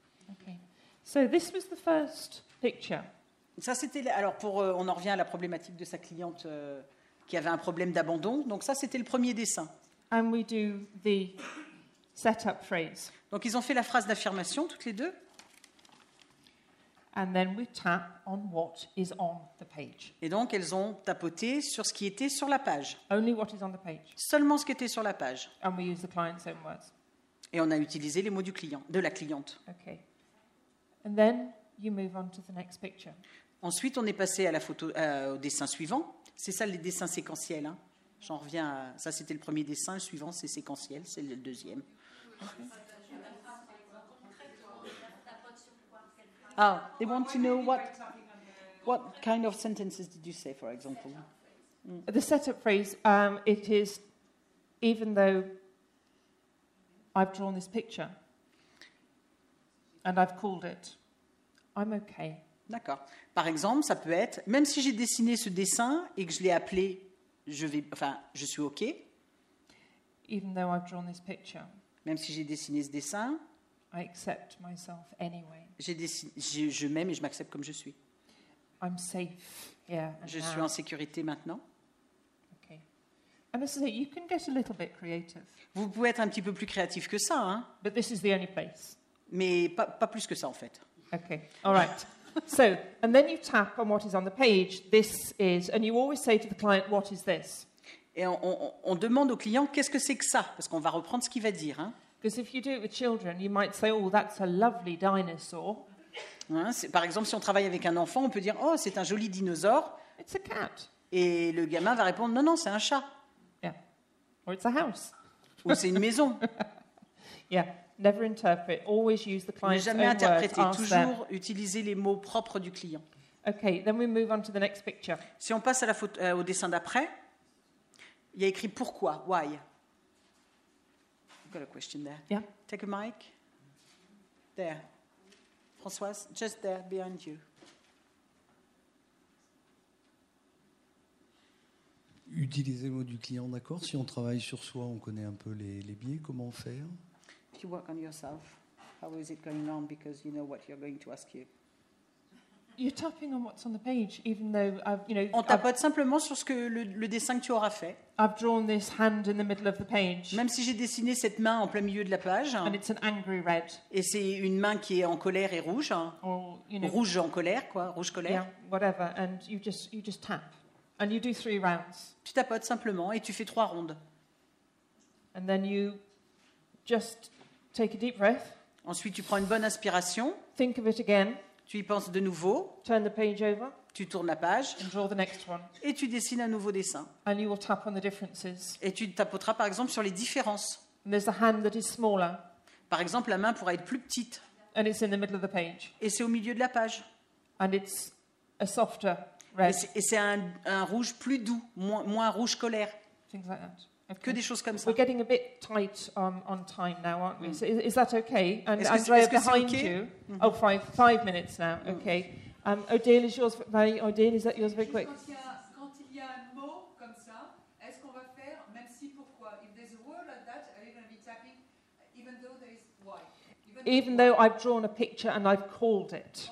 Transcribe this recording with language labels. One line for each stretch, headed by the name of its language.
English: Okay. So this was the first picture.
French: Ça, c'était alors pour. On en revient à la problématique de sa cliente qui avait un problème d'abandon. Donc ça, c'était le premier dessin.
English: And we do the setup phrase.
French: Donc ils ont fait la phrase d'affirmation toutes les deux.
English: And then we tap on what is on the page.
French: Et donc elles ont tapoté sur ce qui était sur la page.
English: Only what is on the page.
French: Seulement ce qui était sur la page.
English: And we use the client's own words.
French: Et on a utilisé les mots du client, de la cliente.
English: Okay. And then you move on to the next picture.
French: Ensuite, on est passé à la photo, au dessin suivant. C'est ça les dessins séquentiels. Hein. J'en reviens à ça. C'était le premier dessin. Le suivant, c'est séquentiel. C'est le deuxième.
English: Ah, they want to know what kind of sentences did you say, for example? The setup phrase. It is even though I've drawn this picture and I've called it. I'm okay.
French: D'accord. Par exemple, ça peut être même si j'ai dessiné ce dessin et que je l'ai appelé, je suis ok.
English: Even though I've drawn this picture.
French: Même si j'ai dessiné ce dessin.
English: I accept myself anyway.
French: Je m'aime et je m'accepte comme je suis.
English: I'm safe. Yeah.
French: Je suis en sécurité maintenant.
English: Okay. And as I say, you can get a little bit creative.
French: Vous pouvez être un petit peu plus créatif que ça, hein.
English: But this is the only place.
French: Mais pas plus que ça en fait.
English: Okay. All right. So, and then you tap on what is on the page. This is, and you always say to the client, what is this?
French: Et on demande au client, qu'est-ce que c'est que ça? Parce qu'on va reprendre ce qu'il va dire, hein.
English: Because if you do it with children, you might say, oh, that's a lovely dinosaur.
French: Hein, par exemple, si on travaille avec un enfant, on peut dire, oh, c'est un joli dinosaure.
English: It's a cat.
French: Et le gamin va répondre, non, c'est un chat.
English: Yeah. Or it's a house.
French: Ou c'est une maison.
English: Yeah. Never interpret. Always use the client's own words.
French: Ne jamais interpréter. Toujours utiliser les mots propres du client.
English: Okay, then we move on to the next picture.
French: Si on passe à la photo, au dessin d'après, il y a écrit pourquoi, why.
English: I've got a question there. Yeah. Take a mic. There. Françoise, just there behind you.
French: Utiliser les mots du client, d'accord. Si on travaille sur soi, on connaît un peu les biais. Comment faire?
English: If you work on yourself, how is it going on? Because you know what you're going to ask you. You're tapping on what's on the page, even though I've, you know.
French: On tapote simplement sur ce que le dessin que tu auras fait.
English: I've drawn this hand in the middle of the page.
French: Même si j'ai dessiné cette main en plein milieu de la page.
English: And it's an angry red.
French: Et c'est une main qui est en colère et rouge. Hein.
English: Or, you know,
French: rouge en colère, quoi, rouge colère.
English: Yeah, whatever. And you just tap, and you do 3 rounds.
French: Tu tapotes simplement et tu fais 3 rondes.
English: And then you just take a deep breath.
French: Ensuite, tu prends une bonne inspiration.
English: Think of it again.
French: Tu y penses de nouveau.
English: Turn the page over.
French: Tu tournes la page.
English: And draw the next one.
French: Et tu dessines un nouveau dessin.
English: And you will tap on the differences.
French: Et tu tapoteras par exemple sur les différences.
English: And there's a hand that is smaller.
French: Par exemple, la main pourra être plus petite.
English: And it's in the middle of the page.
French: Et c'est au milieu de la page.
English: And it's a softer red.
French: Et c'est un rouge plus doux, moins rouge colère.
English: Things like that.
French: Okay. Que des choses comme ça.
English: We're getting a bit tight on time now, aren't we? Mm. So is that okay? And Andrea behind okay? you. Mm-hmm. Oh, five minutes now. Mm. Okay. Odile, is yours very? Odile, is that yours very quick?
French: Quand il y a un mot comme ça, est-ce qu'on va faire même si pourquoi?
English: If there's a word like that, are you going to be tapping even though there is why? Even though I've drawn a picture and I've called it.